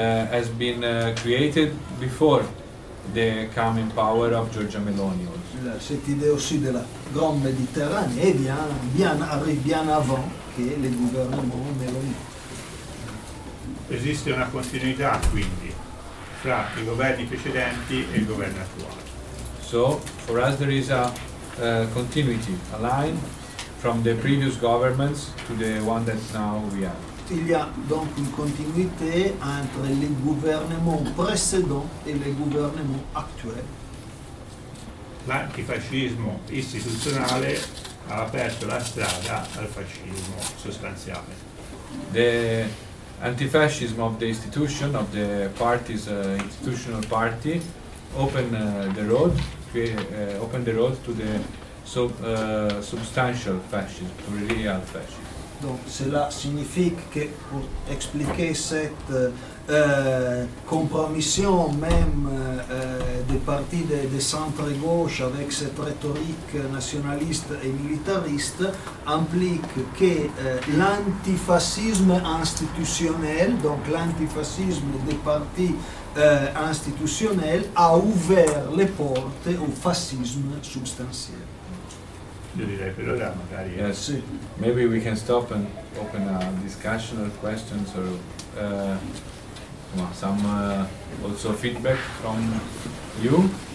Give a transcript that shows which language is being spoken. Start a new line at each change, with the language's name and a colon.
English: Has been created before the coming power of Giorgia Meloni.
French: Cette idée aussi de la grande Méditerranée arrive bien avant que le gouvernement Meloni.
Italian: Esiste una continuità quindi fra i governi precedenti e il governo attuale.
English: So for us there is a continuity, a line from the previous governments to the one that now we have.
French: Il y a donc une continuité entre les gouvernements précédents et les gouvernements actuels.
Italian: L'antifascismo istituzionale ha aperto la strada al fascismo sostanziale.
English: The antifascism of the institution, of the party's institutional party, opened the road to the substantial fascism, to real fascism.
French: Donc cela signifie que pour expliquer cette compromission même des partis de centre-gauche avec cette rhétorique nationaliste et militariste implique que l'antifascisme institutionnel, donc l'antifascisme des partis institutionnels, a ouvert les portes au fascisme substantiel.
English: Yes.
Italian: Sì.
English: Maybe we can stop and open a discussion or questions or some also feedback from you.